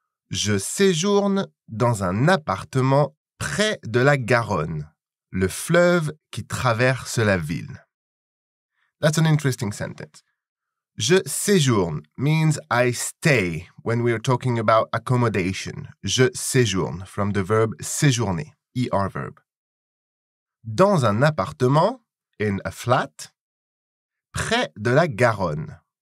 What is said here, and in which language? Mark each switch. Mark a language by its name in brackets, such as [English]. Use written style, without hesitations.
[French] Je séjourne dans un appartement près de la Garonne, le fleuve qui traverse la ville. [English] That's an interesting sentence. [French] Je séjourne [English] means I stay when we are talking about accommodation. [French] Je séjourne [English] from the verb séjourner, ER verb. [French] Dans un appartement, [English] in a flat, [French] près de la Garonne.